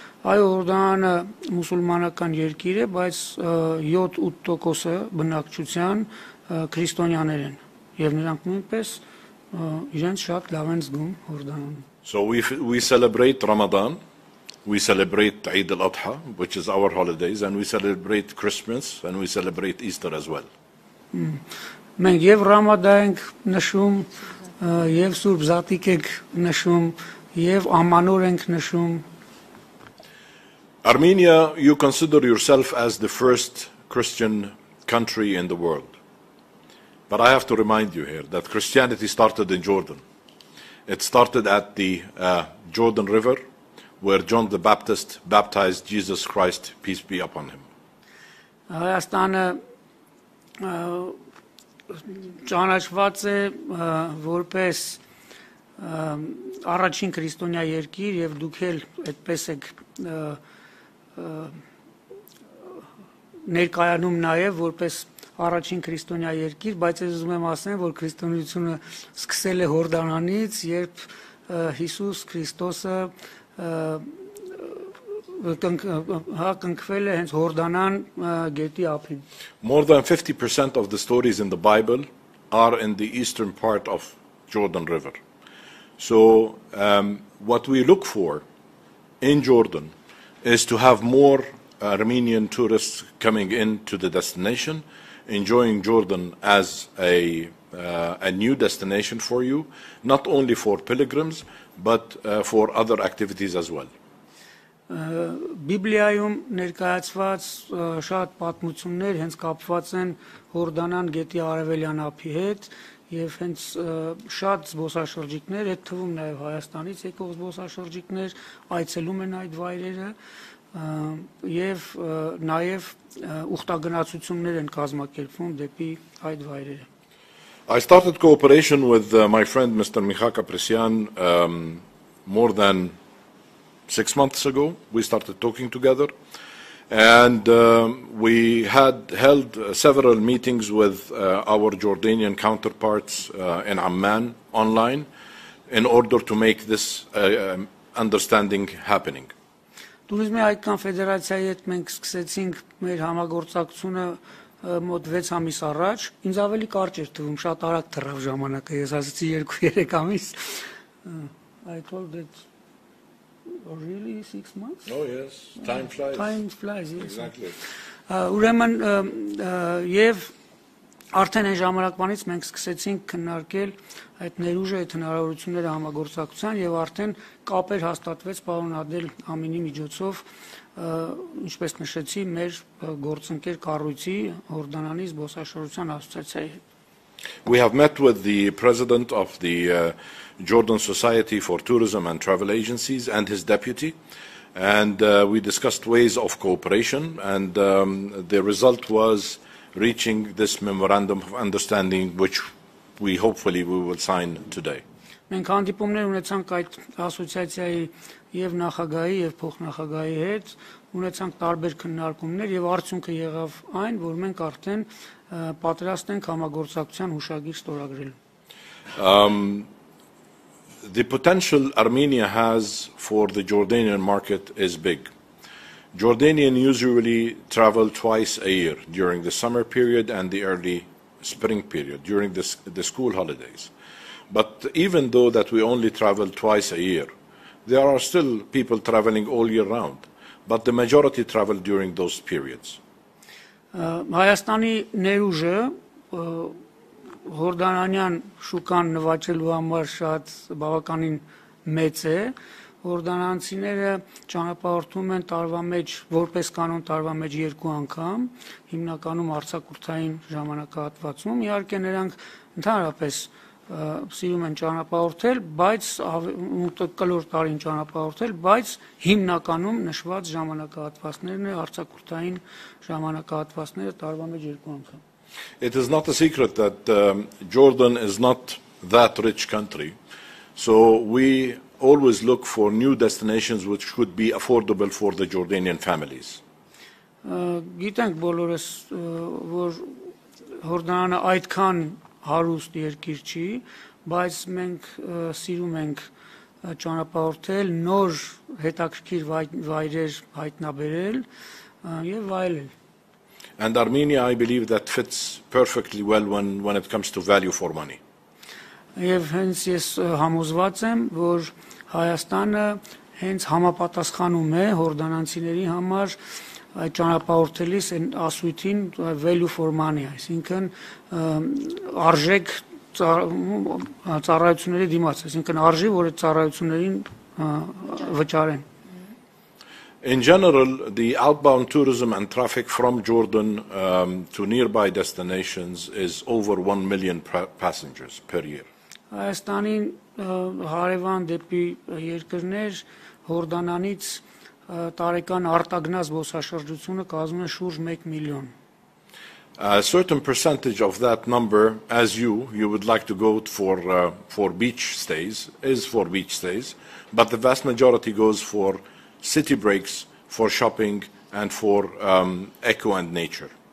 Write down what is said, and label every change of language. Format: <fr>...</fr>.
<hy>Այո, Հորդանանը մուսուլմանական երկիր է, բայց 7-8%-ը բնակչության քրիստոնյաներ են եւ նրանք նույնպես իրենց շատ լավ են զգում Հորդանանում։</hy> <en>So we celebrate Ramadan, we celebrate Eid al-Adha, which is our holidays, and we celebrate Christmas and we celebrate Easter as well.</en> <hy>Մենք եւ Ramadan ենք նշում, եւ Սուրբ Զատիկ ենք նշում, եւ Ամանոր ենք նշում։</hy> <en>Armenia, you consider yourself as the first Christian country in the world. But I have to remind you here that Christianity started in Jordan. It started at the Jordan River, where John the Baptist baptized Jesus Christ, peace be upon him.</en> <hy>Հայաստանը ճանաչված է որպես առաջին քրիստոնյա երկիր, և դուք էլ այդպես եք ներկայանում նաև որպես առաջին քրիստոնյա երկիր, բայց ես ուզում եմ ասեմ, որ քրիստոնեությունը սկսել է Հորդանանից, երբ Հիսուս Քրիստոսը կնքվել է հենց Հորդանան գետի ափին։</hy> <en>More than 50% of the stories in the Bible are in the eastern part of Jordan River. So what we look for in Jordan is to have more Armenian tourists coming into the destination, enjoying Jordan as a new destination for you, not only for pilgrims, but for other activities as well.</en> <hy>Բիբլիայում ներկայացված շատ պատմություններ հենց կապված են Հորդանան գետի արևելյան ափի հետ եւ հենց շատ զբոսաշրջիկներ, այդ թվում նաեւ Հայաստանից եկող զբոսաշրջիկներ այցելում են այդ վայրերը եւ նաեւ ուխտագնացություններ են կազմակերպվում դեպի այդ վայրերը.</hy> <en>I started cooperation with my friend Mr. Michal Kaprisyan more than 6 months ago. We started talking together, and we had held several meetings with our Jordanian counterparts in Amman online in order to make this understanding happening.</en> <hy>Տուրիզմի այդքան ֆեդերացիայի հետ մենք սկսեցինք մեր համագործակցությունը մոտ 6 ամիս առաջ, ինձ ավելի կարճ էր թվում, շատ արագ թռավ ժամանակը, ես ասացի 2-3 ամիս.</hy> <en>I told that really 6 months? Oh yes, time flies. Time flies, yes. Exactly.</en> <hy>Ուրեմն եւ արդեն այն ժամանակվանից մենք սկսեցինք քննարկել այդ ներուժը, այդ հնարավորությունները համագործակցության եւ արդեն կապեր հաստատվեց պարոն Ադել Ամինի միջոցով, ինչպես նշեցի, մեր գործընկեր կառույցի Հորդանանի զբոսաշրջության ասոցիացիայի հետ։</hy> <en>We have met with the president of the Jordan Society for Tourism and Travel Agencies and his deputy, and we discussed ways of cooperation, and the result was reaching this memorandum of understanding, which we hopefully we will sign today.</en> <hy>Մենք հանդիպումներ ունեցանք այդ ասոցիացիայի եւ նախագահի եւ փոխնախագահի հետ, ունեցանք տարբեր քննարկումներ եւ արդյունքը եղավ այն, որ մենք արդեն պատրաստ ենք համագործակցության հուշագիր ստորագրել։</hy> <en>The potential Armenia has for the Jordanian market is big. Jordanians usually travel twice a year during the summer period and the early spring period during the school holidays. But even though that we only travel twice a year, there are still people traveling all year round, but the majority travel during those periods.</en> <hy>Հայաստանի ներուժը Հորդանանյան շուկան նվաճելու համար շատ բավականին մեծ է։ Հորդանանցիները ճանապարհորդում են տարվա մեջ, որպես կանոն տարվա մեջ 2 անգամ, հիմնականում արձակուրդային ժամանակահատվածում։ Իհարկե նրանք ընդհանրապես սիրում են ճանապարհորդել, բայց կլոր տարին ճանապարհորդել, բայց հիմնականում նշված ժամանակահատվածներն են արձակուրդային ժամանակահատվածները տարվա մեջ 2 անգամ։</hy> <en>It is not a secret that Jordan is not that rich country. So we always look for new destinations which could be affordable for the Jordanian families.</en> <hy>Գիտենք բոլորս, որ Հորդանանը այդքան հարուստ երկիր չի, բայց մենք սիրում ենք ճանապարհորդել, նոր հետաքրքիր վայրեր հայտնաբերել եւ վայելել։</hy> <en>And Armenia, I believe, that fits perfectly well when it comes to value for money.</en> <hy>Եվ հենց ես համոզված եմ, որ Հայաստանը հենց համապատասխանում է հորդանանցիների համար այդ ճանապարհորդելիս այն ասույթին</hy> <en>value for money,</en> <hy>այսինքն արժեք ծառայությունների դիմաց, այսինքն արժի, որ այդ ծառայություններին վճարեն։</hy> <en>In general, the outbound tourism and traffic from Jordan to nearby destinations is over 1 million passengers per year.</en> <hy>Հայաստանին հարևան դեպի երկրներ Հորդանանից տարեկան արտագնաց զբոսաշրջությունը կազմում է շուրջ 1 միլիոն։</hy> <en>A certain percentage of that number, as you would like to go for beach stays, is for beach stays, but the vast majority goes for city breaks, for shopping, and for eco and nature.</en>